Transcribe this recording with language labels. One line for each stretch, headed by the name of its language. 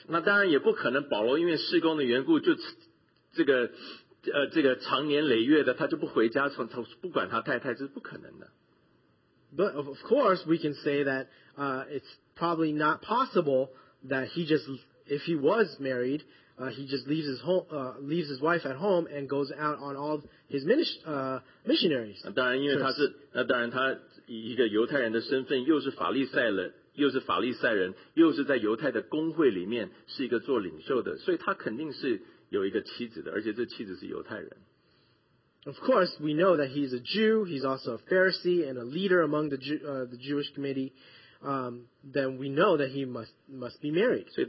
Chinese: 那当然也不可能保罗因为事工的缘故就这个这个长年累月的他就不回家从他不管他太太这是不可能的。
English: But of course, we can say that it's probably not possible that he just if he was married, he just leaves his home, leaves his wife at home and goes out on all his missionaries.
Chinese: 当然，因为他是那当然他一个犹太人的身份，又是法利赛人，又是在犹太的公会里面是一个做领袖的，所以他肯定是有一个妻子的，而且这妻子是犹太人。
English: Of course, we know that he's a Jew. He's also a Pharisee and a leader among the Jewish committee. Then we know that he must be married.